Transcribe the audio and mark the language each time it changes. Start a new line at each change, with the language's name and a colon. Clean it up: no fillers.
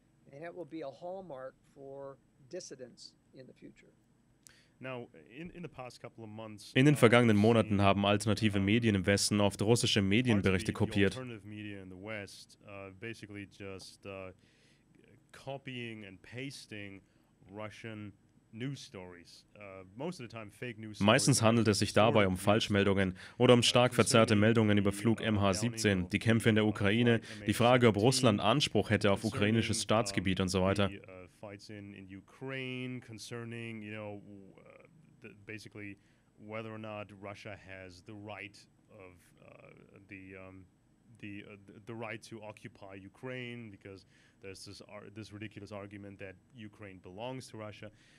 English: And that will be a hallmark for dissidents in the future. Now, in the past couple of months,
German: in den vergangenen Monaten haben alternative Medien im Westen oft russische Medienberichte kopiert.
English: Alternative media in the West basically just copying and pasting Russian news stories. Most of the time fake news stories.
German: Meistens handelt es sich dabei um Falschmeldungen oder um stark verzerrte Meldungen über Flug MH17, die Kämpfe in der Ukraine, die Frage, ob Russland Anspruch hätte auf ukrainisches Staatsgebiet und so weiter.
English: In Ukraine concerning, you know, basically whether or not Russia has the right of the right to occupy Ukraine, because there's this ridiculous argument that Ukraine belongs to Russia.